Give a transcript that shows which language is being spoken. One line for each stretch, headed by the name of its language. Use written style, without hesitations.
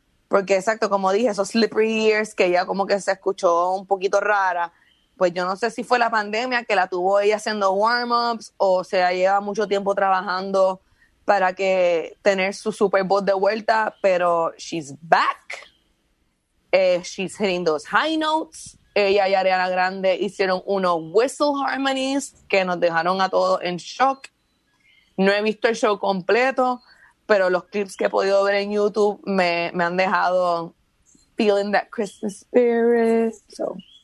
Spanish: Porque, exacto, como dije, esos
English: slippery years
Spanish: que ella como que se escuchó un poquito rara. Pues yo no sé si fue la pandemia que la tuvo ella haciendo warm-ups, o sea, lleva mucho tiempo trabajando para que tener su Super Bowl de vuelta, pero
English: she's back. She's hitting those high notes.
Spanish: Ella y Ariana Grande hicieron unos
English: whistle harmonies
Spanish: que nos dejaron a todos en shock. No he visto el show completo, pero los clips que he podido ver en YouTube me han dejado
English: feeling that Christmas spirit. So.